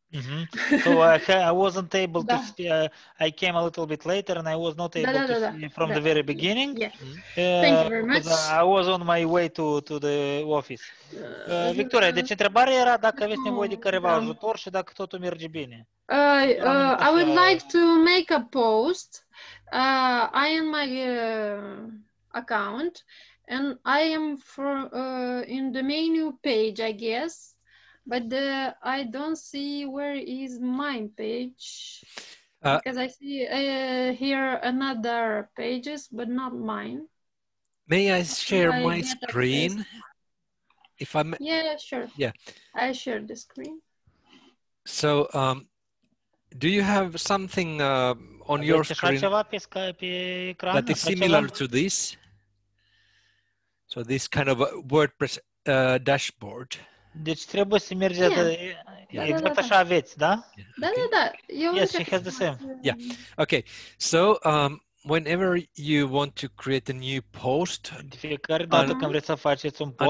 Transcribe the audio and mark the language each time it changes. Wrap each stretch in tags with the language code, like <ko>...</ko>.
<en>I wasn't able to see, I came a little bit later and I was not able from the very beginning. Thank you very much. I was on my way to the office.</en> <ro>Victoria, deci întrebarea era dacă aveți nevoie de careva ajutor și dacă totul merge bine.</ro> <en>I would like to make a post in my account and I am in the menu page, I guess. But I don't see where is my page because I see here another pages, but not mine. May I share my screen? If I'm sure. Yeah, I share the screen. So, do you have something on your screen that is similar to this? So this kind of a WordPress dashboard.</en> <ro>Deci trebuie să mergi exact așa aveți, da? Da.</ro> <en>Yes, she has the same. Yeah. Okay. So, whenever you want to create a new post,</en> <ro>de fiecare dată când vreți să faceți un post,</ro>